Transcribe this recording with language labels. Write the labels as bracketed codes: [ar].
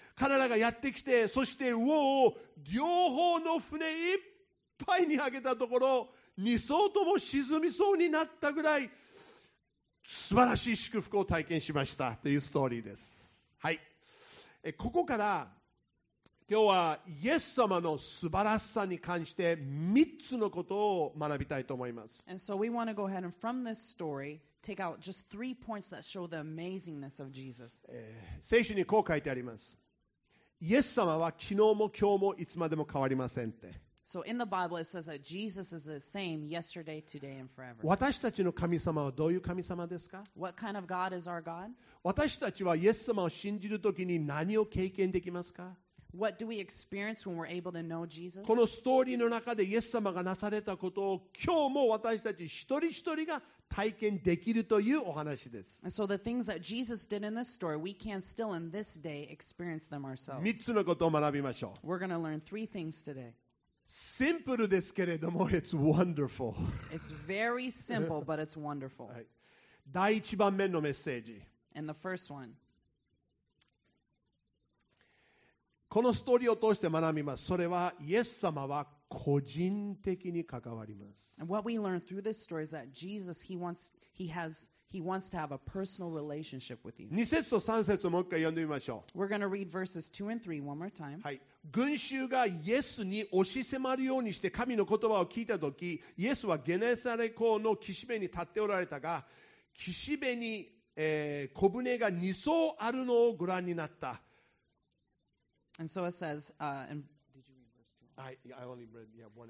[ja] 彼らがやってきて、そして魚を両方の船いっぱいにあげたところ、二艘とも沈みそうになったぐらい素晴らしい祝福を体験しましたというストーリーです。はい。ここから今日はイエス様の素晴らしさに関して3つのことを学びたいと思います。 [en] And so we want to go ahead and from this story take out just three points that show the amazingness of Jesus. [ja] 聖書にこう書いてあります。イエス様は昨日も今日もいつまでも変わりませんって。 [en] So in the Bible it says that Jesus is the same yesterday, today, and forever. [ja] 私たちの神様はどういう神様ですか? [en] What kind of God is our God? [ja] 私たちはイエス様を信じるときに何を経験できますか? [en] What do we experience when we're able to know Jesus? [ja] このストーリーの中でイエス様がなされたことを今日も私たち一人一人が体験できるというお話です。 [en] And so the things that Jesus did in this story, we can still in this day experience them ourselves. [ja] 三つのことを学びましょう。 [en] We're going to learn three things today. [ja] シンプルですけれども、 [en] it's wonderful. It's very simple, but it's wonderful. [ja] 第一番目のメッセージ。 [en] And the first one. [ja] このストーリーを通して学びます。それは、イエス様は個人的に関わります。 [en] And what we learn through this story is that Jesus, he wants to have a personal relationship with you. [ja] 2節と3節をもう一回読んでみましょう。 [en] We're going to read verses 2 and 3 one more time. [ja] はい。群衆がイエスに押し迫るようにして神の言葉を聞いたとき、イエスはゲネサレ港の岸辺に立っておられたが、岸辺に、小舟が2艘あるのをご覧になった。 [en] And so it says, did you read verse 2?